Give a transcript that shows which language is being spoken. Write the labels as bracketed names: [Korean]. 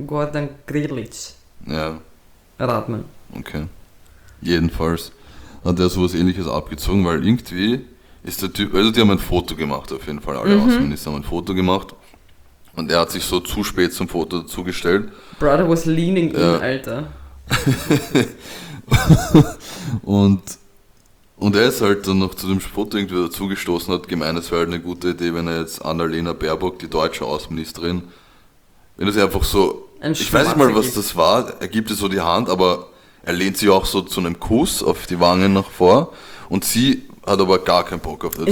[German] Gordan Grlić. Ja. Radman. Okay. Jedenfalls hat er sowas Ähnliches abgezogen, weil irgendwie ist der Typ, also die haben ein Foto gemacht auf jeden Fall, alle Außenminister haben ein Foto gemacht und er hat sich so zu spät zum Foto dazugestellt. [English] Brother was leaning in, Alter. [German] und er ist halt dann noch zu dem Foto irgendwie dazugestoßen, hat gemeint, es wäre halt eine gute Idee, wenn er jetzt Annalena Baerbock, die deutsche Außenministerin, wenn das einfach so, ich weiß nicht mal, was das war, er gibt ihr so die Hand, aber er lehnt sich auch so zu einem Kuss auf die Wangen nach vor und sie hat aber gar keinen Bock auf das.